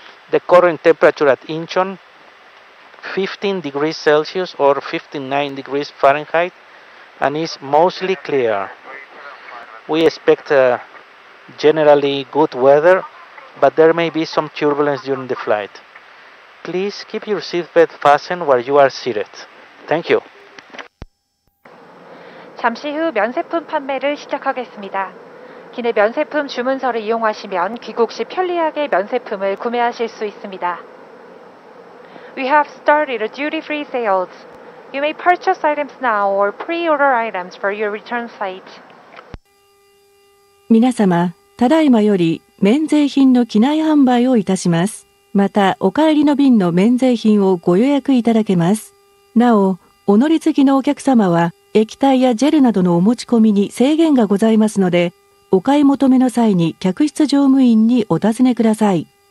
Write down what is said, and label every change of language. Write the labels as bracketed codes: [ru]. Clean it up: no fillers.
[en] The current temperature at Incheon, 15 degrees Celsius or 59 degrees Fahrenheit, and is mostly clear. We expect generally good weather, but there may be some turbulence during the flight. Please keep your seatbelt fastened while you are seated. Thank you. [ko] 잠시 후 면세품 판매를 시작하겠습니다. 기내 면세품 주문서를 이용하시면 귀국 시 편리하게 면세품을 구매하실 수 있습니다. [en] We have started a duty-free sales. You may purchase items now or pre-order items for your return flight. [ja] 皆様、ただいまより免税品の機内販売をいたします。また、お帰りの便の免税品をご予約いただけます。なお、お乗り継ぎのお客様は、液体やジェルなどのお持ち込みに制限がございますので、お買い求めの際に客室乗務員にお尋ねください。